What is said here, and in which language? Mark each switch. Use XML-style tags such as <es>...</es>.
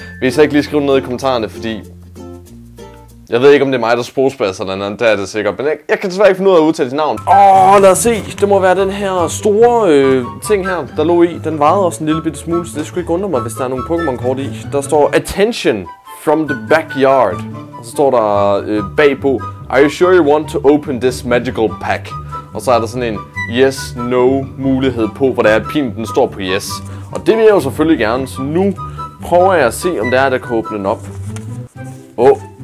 <da>Vil I så ikke lige skrive noget i kommentarerne, fordi jeg ved ikke, om det er mig, der sprogspasser eller andet, der er det sikkert, men jeg kan desværre ikke finde ud af at udtale dit navn. Åh, lad os se, det må være den her store ting her, der lå i. Den vejede også en lille bitte smule, så det skulle ikke undre mig, hvis der er nogle Pokémon-kort i. Der står,</da> <en>attention from the backyard.</en> <da>Og så står der bagpå,</da> <en>are you sure you want to open this magical pack?</en> <da>Og så er der sådan en yes, no mulighed på, hvor der er pin, den står på yes. Og det vil jeg jo selvfølgelig gerne, så nu prøver jeg at se, om det er, der kan åbne den op. Åh.</da>